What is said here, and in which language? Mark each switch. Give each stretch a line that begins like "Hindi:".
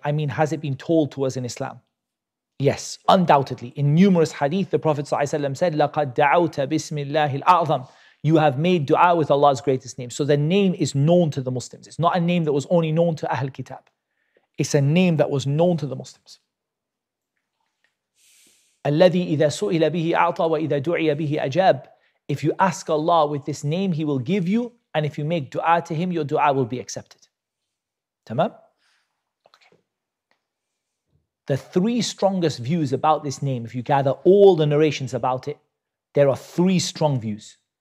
English: I mean, has it been told to us in Islam? Yes, undoubtedly. In numerous hadith, the Prophet ﷺ said,
Arabic: لَقَدْ دَعَوْتَ بِسْمِ اللَّهِ الْأَعْظَمِ.
English: You have made dua with Allah's greatest name. So the name is known to the Muslims. It's not a name that was only known to Ahl Kitab. It's a name that was known to the Muslims.
Arabic: الَّذِي إِذَا سُئِلَ بِهِ أَعْطَى وَإِذَا دُعِيَ بِهِ أَجَابِ.
English: If you ask Allah with this name, He will give you. And if you make dua to Him, your dua will be accepted. Tamam? The three strongest views about this name, if you gather all the narrations about it, there are three strong views.